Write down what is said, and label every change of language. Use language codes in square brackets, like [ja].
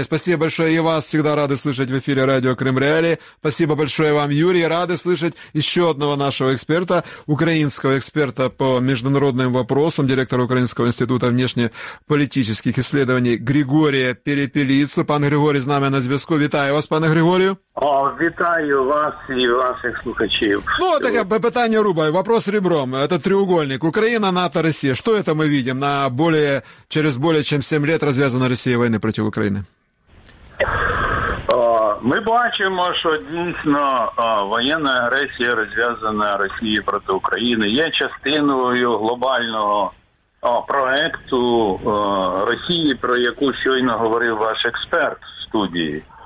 [ru] Спасибо большое и вас. Всегда рады слышать в эфире радио «Крым Реалии». Спасибо большое вам, Юрий. Рады слышать еще одного нашего эксперта, украинского эксперта по международным вопросам, директора Украинского института внешнеполитических исследований Григория Перепелицу. Пан Григорий, с нами [uk] на зв'язку. Вітаю вас, пане Григорію. Вітаю вас і ваших слухачів. Ну, таке питання рубаю. [ru] Вопрос ребром. Это треугольник. Украина, НАТО, Россия. Что это мы видим на более, через более чем 7 лет развязана Россия войны против Украины? [uk] Ми бачимо, що дійсно воєнна агресія розв'язана Росією проти України. Є частиною глобального проекту Росії, про яку щойно говорив ваш експерт в студії.